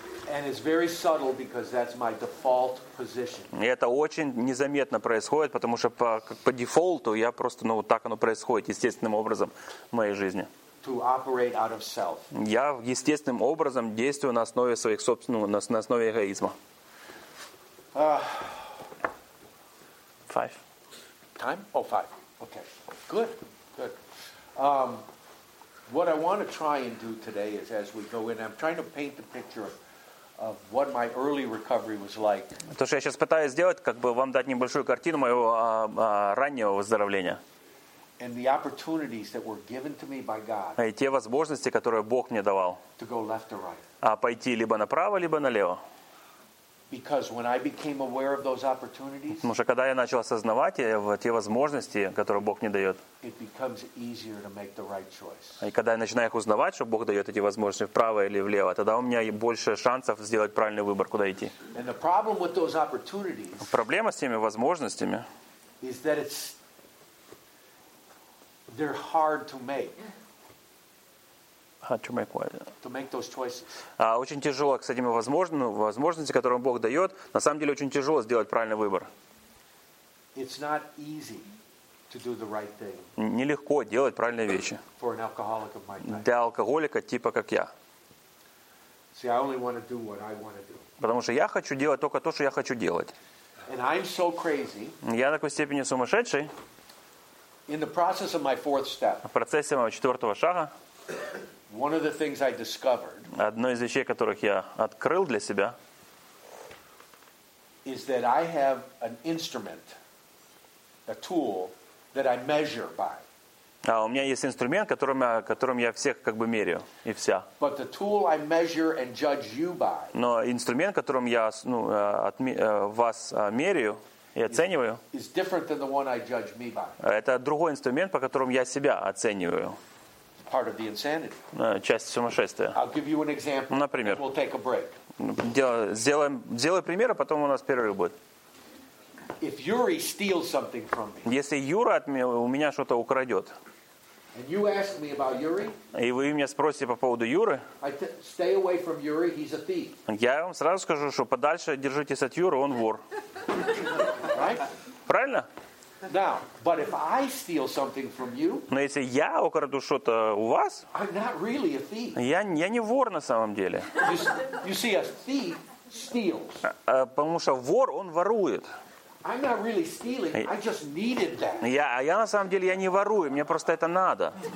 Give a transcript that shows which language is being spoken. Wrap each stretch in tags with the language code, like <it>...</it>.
<en>And it's very subtle because that's my default position.</en> <ru>И это очень незаметно происходит, потому что по дефолту я просто, ну, так оно происходит естественным образом в моей жизни.</ru> <en>To operate out of self.</en> <ru>Я естественным образом действую на основе своих собственного, на основе эгоизма.</ru> <en>Five. Time? Oh, five. Okay. Good. What I want to try and do today is, as we go in, I'm trying to paint the picture of what my early recovery was like.</en> <ru>То, что я сейчас пытаюсь сделать, как бы вам дать небольшую картину моего раннего выздоровления.</ru> <en>And the opportunities that were given to me by God.</en> <ru>И те возможности, которые Бог мне давал.</ru> <en>To go left or right.</en> <ru>А пойти либо направо, либо налево.</ru> <en>Because when I became aware of those opportunities.</en> <ru>Потому что когда я начал осознавать те возможности, которые Бог мне дает.</ru> <en>It becomes easier to make the right choice.</en> <ru>И когда я начинаю их узнавать, что Бог дает эти возможности вправо или влево, тогда у меня больше шансов сделать правильный выбор, куда идти.</ru> <en>And the problem with those opportunities.</en> <ru>Проблема с теми возможностями.</ru> <en>Is that they're hard to make. How to make what? To make those choices.</en> <ru>Очень тяжело, кстати, возможности, которые Бог дает, на самом деле очень тяжело сделать правильный выбор.</ru> <en>It's not easy to do the right thing.</en> <ru>Нелегко делать правильные вещи.</ru> <en>For an alcoholic of my type.</en> <ru>Для алкоголика типа как я.</ru> <en>See, I only want to do what I want to do.</en> <ru>Потому что я хочу делать только то, что я хочу делать.</ru> <en>And I'm so crazy.</en> <ru>Я такой степени сумасшедший.</ru> <en>In the process of my fourth step.</en> <ru>В процессе моего четвертого шага.</ru> <en>One of the things I discovered.</en> <ru>Одно из вещей, которых я открыл для себя.</ru> <en>Is that I have an instrument, a tool that I measure by.</en> <ru>А у меня есть инструмент, которым я всех как бы меряю и вся.</ru> <en>But the tool I measure and judge you by.</en> <ru>Но инструмент, которым я вас меряю и оцениваю.</ru> <en>Is different than the one I judge me by.</en> <ru>Это другой инструмент, по которому я себя оцениваю.</ru> <en>Part of the insanity.</en> <ru>Часть сумасшествия.</ru> <en>I'll give you an example.</en> <ru>Например.</ru> <en>We'll take a break.</en> <ru>Сделай пример, а потом у нас перерыв будет.</ru> <en>If Yuri steals something from me,</en> <ru>если Юра от меня, у меня что-то украдет,</ru> <en>and you ask me about Yuri,</en> <ru>и вы меня спросите по поводу Юры,</ru> <en>stay away from Yuri, he's a thief.</en> <ru>Я вам сразу скажу, что подальше держитесь от Юры, он вор.</ru> <en>Right?</en> <ru>Правильно?</ru> <en>Now, but if I steal something from you,</en> <ru>но если я украду что-то у вас,</ru> <en>I'm not really a thief.</en> <ru>Я не вор на самом деле.</ru> <en>You see, a thief steals.</en> <ru>Потому что вор, он ворует.</ru> <en>I'm not really stealing. I just needed that.</en> <ru>Я на самом деле я не ворую, мне просто это надо.</ru>